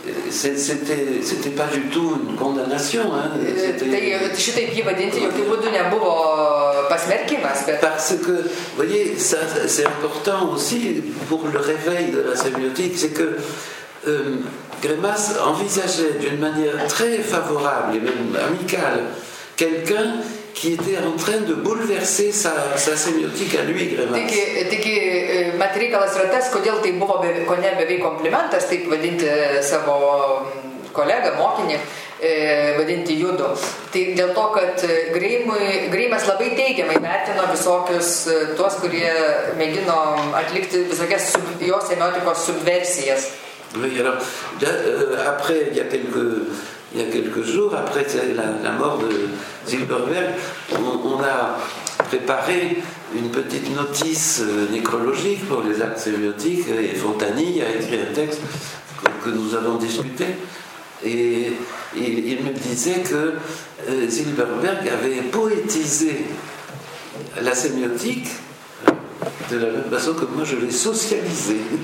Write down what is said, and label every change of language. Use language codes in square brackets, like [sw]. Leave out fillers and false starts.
[fr] C'était pas du tout une condamnation, hein. [lt] Šitaip jį vadinti jokiu būdu nebuvo pasmerkimas, bet... [fr] Parce que, voyez, ça, c'est important aussi pour le réveil de la sémiotique, c'est que Grémas envisageait d'une manière très favorable et même amicale quelqu'un qui était en train de bouleverser sa sémiotique à lui, Grémas. [lt] Tiki, mat reikalas yra tas, kodėl tai buvo beveik komplimentas, taip vadinti savo kolegą, mokinį, vadinti judu. Tai dėl to, kad Grémas labai teigiamai vertino visokius tuos, kurie mėgino atlikti visokias jo sémiotikos subversijas. [fr] Oui, alors, après, il y a quelques jours, après la mort de Zilberberg, on a préparé une petite notice nécrologique pour les actes sémiotiques, et Fontani a écrit un texte que nous avons discuté, et il me disait que Zilberberg avait poétisé la sémiotique de la même façon que moi je l'ai socialisé.